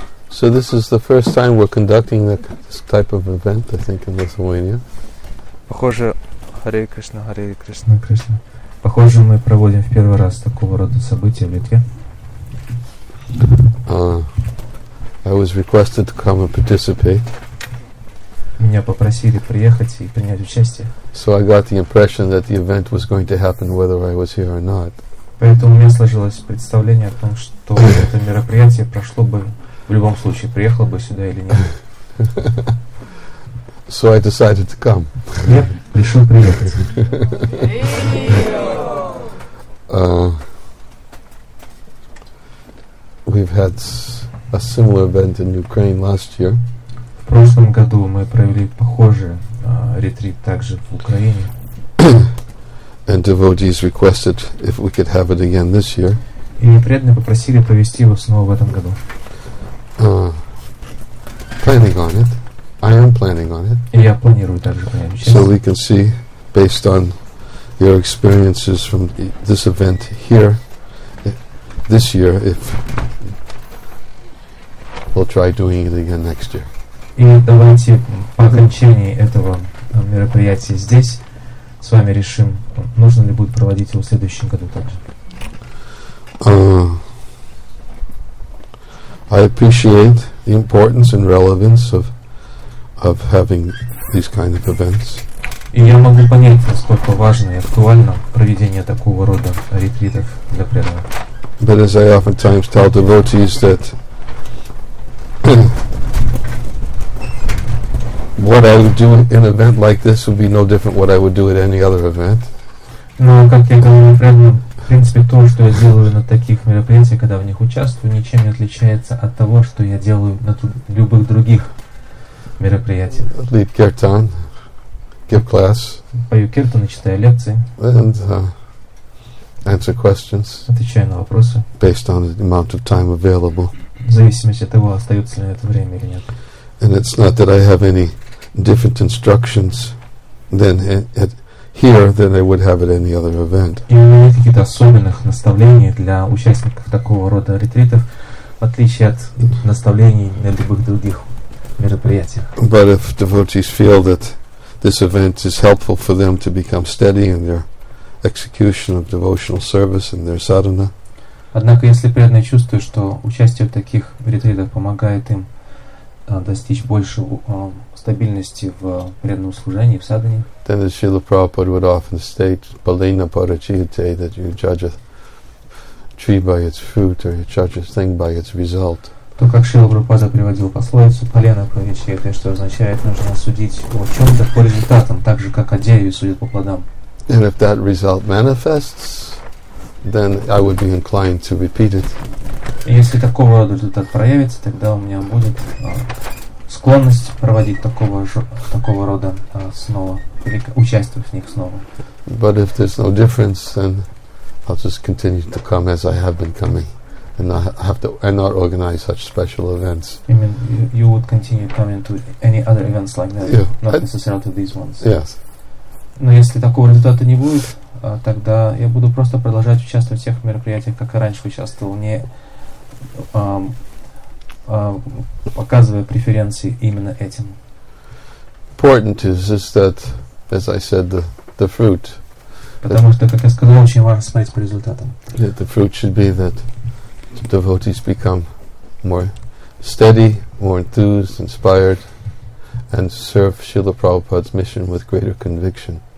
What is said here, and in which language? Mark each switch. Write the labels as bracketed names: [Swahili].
[English] So this is the first time we're conducting this type of event, I think, in Lithuania. [Russian] Похоже, Харе Кришна, Харе Кришна, Кришна. Похоже, мы проводим в первый раз такого рода события в Литве. [English] I was requested to come and participate. [Russian] Меня попросили приехать и принять участие. [English] So I got the impression that the event was going to happen whether I was here or not. [Russian] Поэтому у меня сложилось представление о том, что это мероприятие прошло бы в любом случае, приехал бы сюда или нет. [English] So I decided to come. [Russian] Я решил приехать. [English] We've had a similar event in Ukraine last year. [Russian] В прошлом году мы провели похожий ретрит также в Украине. [English] And devotees requested if we could have it again this year. [Russian] И преданные попросили провести его снова в этом году. [English] Planning on it. I am planning on it. [Russian] Я планирую также поехать. [English] So we can see, based on your experiences from this event here, this year, if we'll try doing it again next year. [Russian] И давайте по окончании этого мероприятия здесь с вами решим, нужно ли будет проводить его в следующем году также. [English] I appreciate the importance and relevance of having these kind of events. [Russian] И я могу понять, насколько важно и актуально проведение такого рода ретритов для преданных. [English] But as I oftentimes tell devotees that what I would do in an event like this would be no different what I would do at any other event. [Russian] Но как я говорю преданным, в принципе, то, что я делаю на таких мероприятиях, когда в них участвую, ничем не отличается от того, что я делаю на любых других мероприятиях. [English] Lead kirtan, give class. [Russian] Пою киртаны, читаю лекции. [English] And answer questions. [Russian] Отвечаю на вопросы. [English] Based on the amount of time available. [Russian] В зависимости от того, остается ли на это время или нет. [English] And it's not that I have any different instructions than at here than I would have at any other event. [Russian] И у меня нет каких-то особенных наставлений для участников такого рода ретритов, в отличие от наставлений на любых других мероприятиях. [English] But if devotees feel that this event is helpful for them to become steady in their execution of devotional service and their sadhana. [Russian] Однако, если преданные чувствуют, что участие в таких ретритах помогает им достичь больше стабильности в преданном служении, в садхане. [English] Then as Srila Prabhupada would often state, balena parachiyate, that you judge a tree by its fruit or you judge a thing by its result. [Russian] То, как Шрила Прабхупада приводил пословицу «полено правящее», что означает, нужно судить о чем-то по результатам, так же, как о дереве судят по плодам. [English] And if that result manifests, then I would be inclined to repeat it. [Russian] Если такого рода результат проявится, тогда у меня будет склонность проводить такого рода снова, или участие в них снова. [English] But if there's no difference, then I'll just continue to come as I have been coming. And not have to, and not organize such special events. You mean you would continue coming to any other events like that, not necessarily to these ones? Yes. [Russian] Но если такого результата не будет, тогда я буду просто продолжать участвовать в тех мероприятиях, как и раньше участвовал, не показывая преференции именно этим. [English] Important is that, as I said, the fruit. [Russian] Потому что, как я сказал, очень важно смотреть по результатам. [English] Yeah, the fruit should be that. Devotees become more steady, more enthused, inspired, and serve Srila Prabhupada's mission with greater conviction.